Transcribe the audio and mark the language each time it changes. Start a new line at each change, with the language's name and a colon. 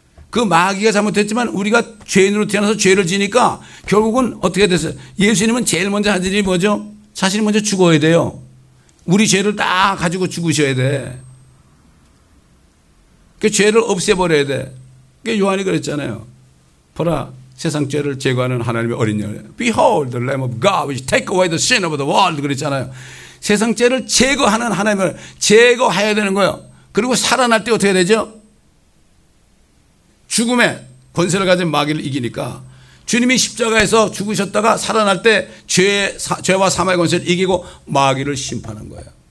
Korean: 그 마귀가 잘못했지만 우리가 죄인으로 태어나서 죄를 지니까 결국은 어떻게 됐어요? 예수님은 제일 먼저 하신 일이 뭐죠? 자신이 먼저 죽어야 돼요. 우리 죄를 다 가지고 죽으셔야 돼. 그 죄를 없애버려야 돼. 그 요한이 그랬잖아요. 보라, 세상 죄를 제거하는 하나님의 어린 양.
English: Behold the Lamb of God which take away the sin of the world.
Korean: 그랬잖아요. 세상 죄를 제거하는 하나님을 제거해야 되는 거예요. 그리고 살아날 때 어떻게 되죠? 죽음에 권세를 가진 마귀를 이기니까 주님이 십자가에서 죽으셨다가 살아날 때 죄와 사망의 권세를 이기고 마귀를 심판한 거예요.